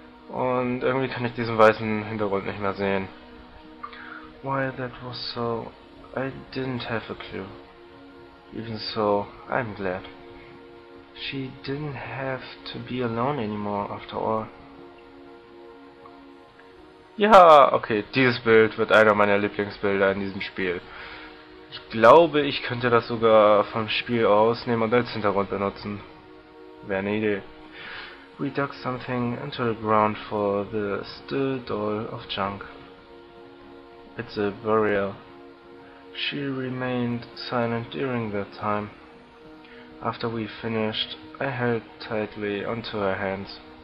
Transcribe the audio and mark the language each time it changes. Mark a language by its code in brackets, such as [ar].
[de] Und irgendwie kann ich diesen weißen Hintergrund nicht mehr sehen. [en] Why that was so, I didn't have a clue. Even so, I'm glad. She didn't have to be alone anymore, after all. [de] Ja, okay, dieses Bild wird einer meiner Lieblingsbilder in diesem Spiel. Ich glaube, ich könnte das sogar vom Spiel ausnehmen und als Hintergrund benutzen. Wäre eine Idee. [en] We dug something into the ground for the still doll of junk. It's a burial. She remained silent during that time. After we finished, I held tightly onto her hands.